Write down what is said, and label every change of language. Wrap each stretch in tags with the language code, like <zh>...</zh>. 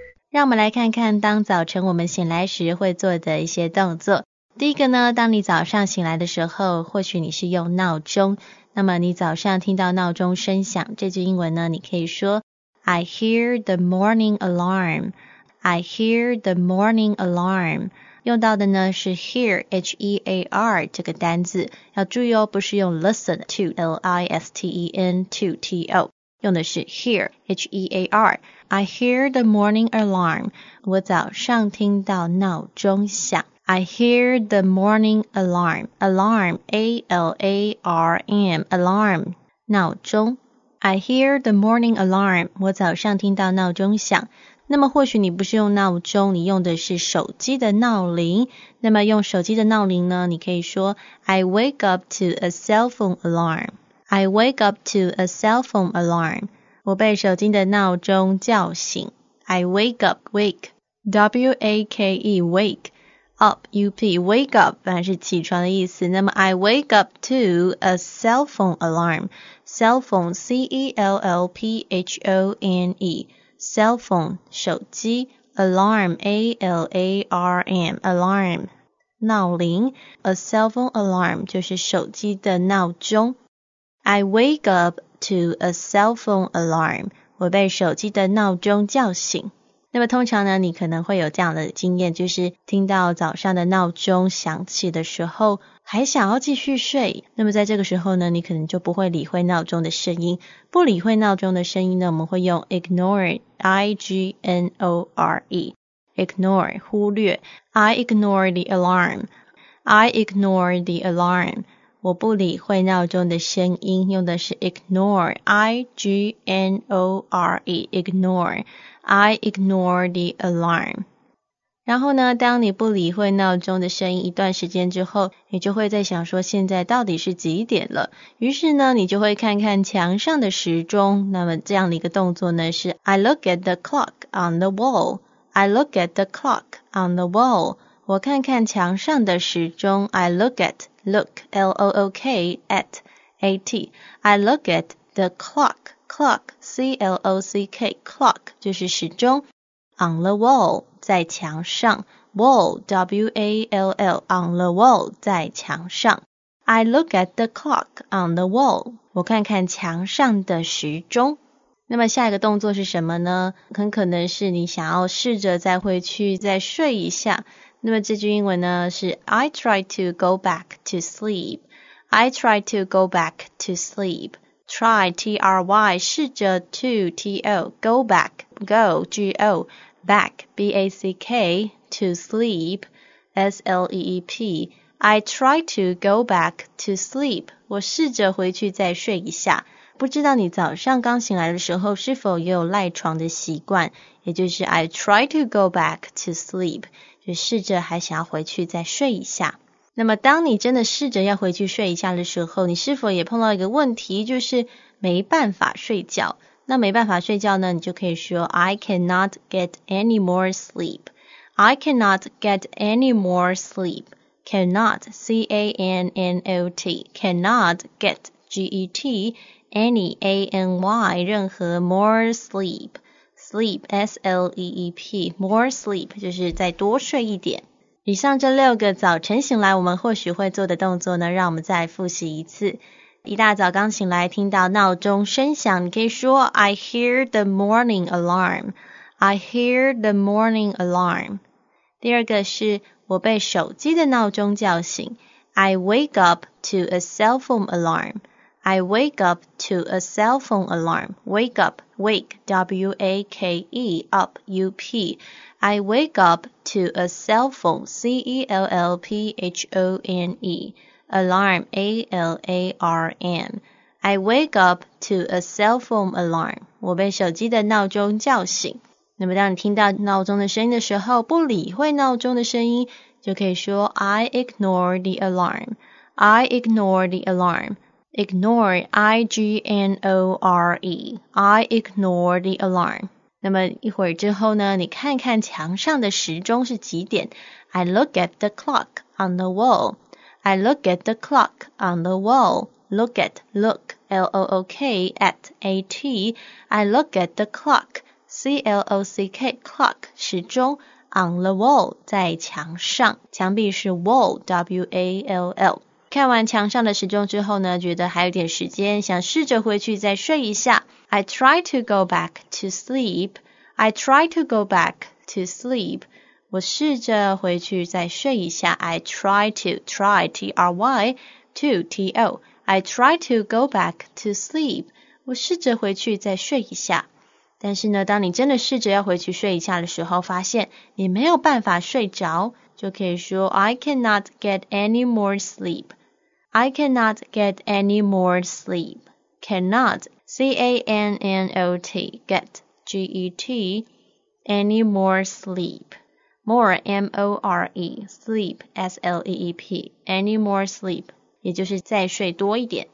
<zh>让我们来看看当早晨我们醒来时会做的一些动作。第一个呢，当你早上醒来的时候，或许你是用闹钟，那么你早上听到闹钟声响，这句英文呢，你可以说</zh> <en>I hear the morning alarm. I hear the morning alarm.</en> <zh>用到的呢是 hear, H-E-A-R 这个单字，要注意哦，不是用 listen to, L-I-S-T-E-N to, T-O，用的是 hear, H-E-A-R.</zh> <en>I hear the morning alarm.</en> <zh>我早上听到闹钟响。</zh> <en>I hear the morning alarm. Alarm, A-L-A-R-M, alarm, 闹钟。 I hear the morning alarm.</en> <zh>我早上听到闹钟响。那么或许你不是用闹钟，你用的是手机的闹铃。那么用手机的闹铃呢，你可以说</zh> <en>I wake up to a cell phone alarm. I wake up to a cell phone alarm.</en> <zh>我被手机的闹钟叫醒。</zh> <en>I wake up, wake. W-A-K-E, wake. Up, U-P, wake up,</en> <zh>本来是起床的意思。</zh> <en>那么 I wake up to a cell phone alarm. Cell phone, C-E-L-L-P-H-O-N-E. Cell phone, 手机。 Alarm, A-L-A-R-M, alarm. 闹铃。 A cell phone alarm,</en> <zh>就是手机的闹钟。</zh> <en>I wake up to a cell phone alarm.</en> <zh>我被手机的闹钟叫醒。那么通常呢，你可能会有这样的经验，就是听到早上的闹钟响起的时候，还想要继续睡。那么在这个时候呢，你可能就不会理会闹钟的声音。不理会闹钟的声音呢，我们会用 ignore, I-G-N-O-R-E, ignore, 忽略。</zh> <en>I ignore the alarm. I ignore the alarm.</en> <zh>我不理会闹钟的声音，用的是</zh> <en>ignore, I-G-N-O-R-E, ignore, I ignore the alarm.</en> <zh>然后呢，当你不理会闹钟的声音一段时间之后，你就会在想说现在到底是几点了。于是呢，你就会看看墙上的时钟。那么这样的一个动作呢是</zh> <en>I look at the clock on the wall, I look at the clock on the wall.</en> <zh>我看看墙上的时钟</zh> <en>I look at, look, L-O-O-K, at, A-T I look at the clock, clock, C-L-O-C-K, clock,</en> <zh>就是时钟</zh> <en>On the wall,</en> <zh>在墙上</zh> <en>Wall, W-A-L-L, on the wall, 在墙上 I look at the clock on the wall</en> <zh>我看看墙上的时钟那么下一个动作是什么呢？很可能是你想要试着再回去再睡一下那么这句英文呢是</zh> <en>I try to go back to sleep. I try to go back to sleep. Try, T-R-Y, 试着 to, T-O, go back, go, G-O, back, B-A-C-K, to sleep, S-L-E-E-P. I try to go back to sleep.</en> <zh>我试着回去再睡一下。不知道你早上刚醒来的时候是否也有赖床的习惯，也就是</zh> <en>I try to go back to sleep.</en> <zh>就试着还想要回去再睡一下。那么当你真的试着要回去睡一下的时候，你是否也碰到一个问题，就是没办法睡觉。那没办法睡觉呢，你就可以说</zh> <en>I cannot get any more sleep. I cannot get any more sleep. Cannot, C-A-N-N-O-T. Cannot get, G-E-T, any, A-N-Y, 任何 more sleep. Sleep, S-L-E-E-P, more sleep,</en> <zh>就是再多睡一点。以上这六个早晨醒来我们或许会做的动作呢，让我们再复习一次。一大早刚醒来听到闹钟声响，你可以说</zh> <en>I hear the morning alarm. I hear the morning alarm.</en> <zh>第二个是我被手机的闹钟叫醒，</zh> <en>I wake up to a cell phone alarm. I wake up to a cell phone alarm. Wake up, wake, W-A-K-E, up, U-P. I wake up to a cell phone, C-E-L-L-P-H-O-N-E. Alarm, A-L-A-R-M. I wake up to a cell phone alarm.</en> <zh>我被手机的闹钟叫醒。那么当你听到闹钟的声音的时候，不理会闹钟的声音，就可以说</zh> <en>I ignore the alarm. I ignore the alarm. Ignore, I-G-N-O-R-E. I ignore the alarm.</en> <zh>那么一会儿之后呢，你看看墙上的时钟是几点。</zh> <en>I look at the clock on the wall. I look at the clock on the wall. Look at, look, L-O-O-K, at, A-T. I look at the clock, C-L-O-C-K, clock, 时钟 on the wall,</en> <zh>在墙上。墙壁是</zh> <en>wall, W-A-L-L.</en> <zh>看完墙上的时钟之后呢，觉得还有点时间，想试着回去再睡一下。</zh> <en>I try to go back to sleep. I try to go back to sleep.</en> <zh>我试着回去再睡一下。</zh> <en>I try to, try, T-R-Y, to, T-O. I try to go back to sleep.</en> <zh>我试着回去再睡一下。但是呢，当你真的试着要回去睡一下的时候，发现你没有办法睡着，就可以说</zh> <en>I cannot get any more sleep. I cannot get any more sleep. Cannot, C-A-N-N-O-T, get, G-E-T, any more sleep. More, M-O-R-E, sleep, S-L-E-E-P, any more sleep,</en> <zh>也就是再睡多一点。</zh>